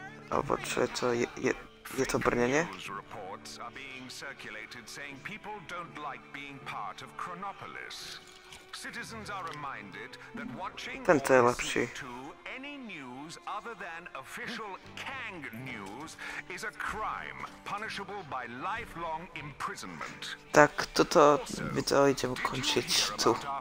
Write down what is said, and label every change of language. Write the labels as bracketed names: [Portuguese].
[Slovak] Alebo čo je to, je to brnenie? [English] Reports are being circulated saying people don't like being part of Chronopolis. Citizens are reminded that watching any news other than official Kang news is a crime punishable by lifelong imprisonment. [Slovak] Tak toto video idem ukončiť tu.